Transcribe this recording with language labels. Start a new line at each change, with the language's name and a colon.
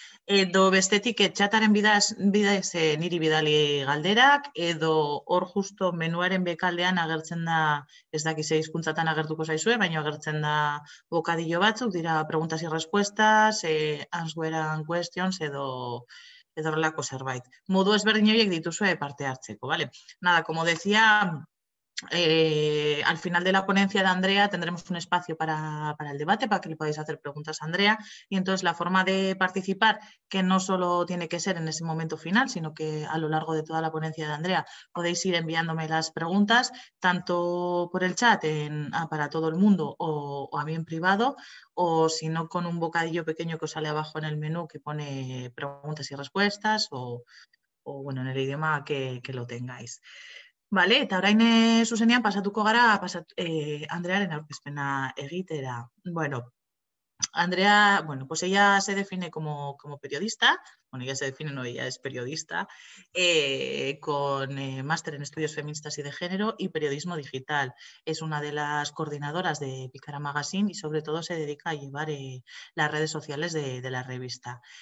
Basque: edo bestetik txataren bidez niri bidali galderak, edo hor justo menuaren bekaldean agertzen da, ez dakize hizkuntzatan agertuko zaizue, baina agertzen da bokadillo batzuk,
Spanish: dira preguntas y respuestas,
English: answer and questions,
Basque: edo horrelako zerbait. Modu ezberdin horiek dituzue parte hartzeko, bale?
Spanish: Nada, como decía, Al final de la ponencia de Andrea tendremos un espacio para el debate, para que le podáis hacer preguntas a Andrea. Y entonces la forma de participar, que no solo tiene que ser en ese momento final, sino que a lo largo de toda la ponencia de Andrea podéis ir enviándome las preguntas, tanto por el chat para todo el mundo o a mí en privado, o si no con un bocadillo pequeño que os sale abajo en el menú que pone preguntas y respuestas o bueno, en el idioma que lo tengáis.
Basque: Vale, eta orain zuzenean pasatuko gara Andrearen aurkezpena egitera.
Spanish: Bueno, Andrea, bueno, pues ella se define como periodista, bueno, ella se define, no, ella es periodista, con máster en estudios feministas y de género y periodismo digital. Es una de las coordinadoras de Picara Magazine y sobre todo se dedica a llevar las redes sociales de la revista.